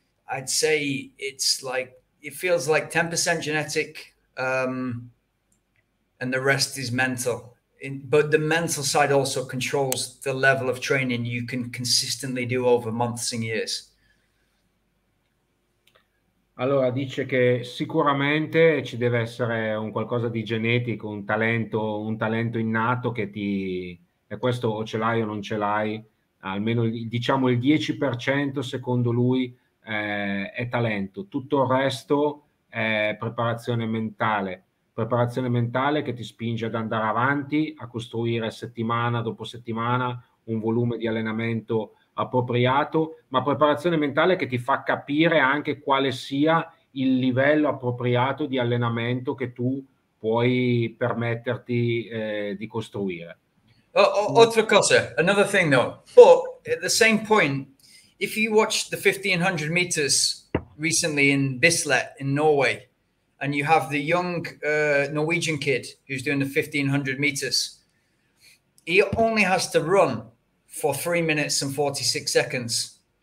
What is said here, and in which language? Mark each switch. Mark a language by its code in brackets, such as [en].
[en] I'd say it's like, it feels like 10% genetic, and the rest is mental. But the mental side also controls the level of training you can consistently do over months and years. [it] Allora, dice che sicuramente ci deve essere un qualcosa di genetico, un talento innato che ti... E questo o ce l'hai o non ce l'hai, almeno diciamo il 10% secondo lui è talento. Tutto il resto è preparazione mentale che ti spinge ad andare avanti, a costruire settimana dopo settimana un volume di allenamento appropriato, ma preparazione mentale che ti fa capire anche quale sia il livello appropriato di allenamento che tu puoi permetterti di costruire. Altra cosa, [en] another thing though, but at the same point, if you watch the 1500 meters recently in Bislett in Norway, and you have the young Norwegian kid who's doing the 1500 meters, he only has to run for 3 minutes and 46 seconds.